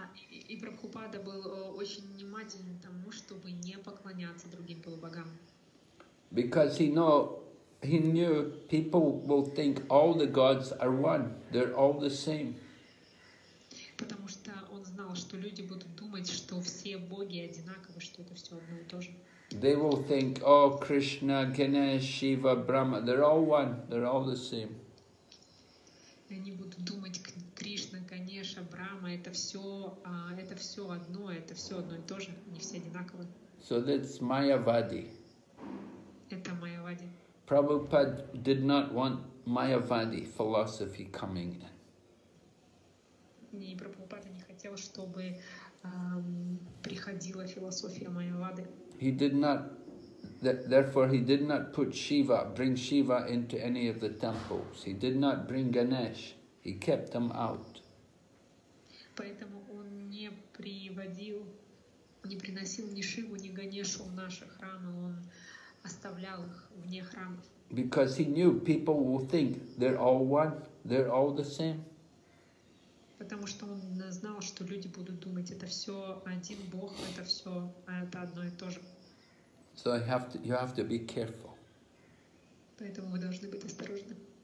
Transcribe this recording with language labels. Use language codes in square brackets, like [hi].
[ru] И Прабхупада был очень внимателен к тому, чтобы не поклоняться другим полубогам. [en] Because he knew people will think all the gods are one, they're all the same. [ru] Потому что он знал, что люди будут думать, что все боги одинаковы, что это все одно и то же. [en] They will think, oh, Krishna, Ganesh, Shiva, Brahma, they're all one, they're all the same. [ru] Они будут думать, Кришна, Ганеша, Брахма, это все одно, это все одно и то же, они все одинаковы. [en] So that's Mayavadi. [ru] Это Mayavadi. [en] Prabhupada did not want Mayavadi philosophy coming in. [ru] не Прабхупада не хотел, чтобы приходила философия Майявады. [en] He did not. Therefore, he did not put Shiva, bring Shiva into any of the temples. He did not bring Ganesh. He kept them out. [ru] Поэтому он не приводил, не приносил ни Шиву, ни Ганешу в наши храмы. Он оставлял их вне храма. [en] Because he knew people will think they're all one, they're all the same. [ru] Потому что он знал, что люди будут думать, это все один Бог, это все это одно и то же. [en] So you have to be careful. [ru] Поэтому вы должны быть осторожны.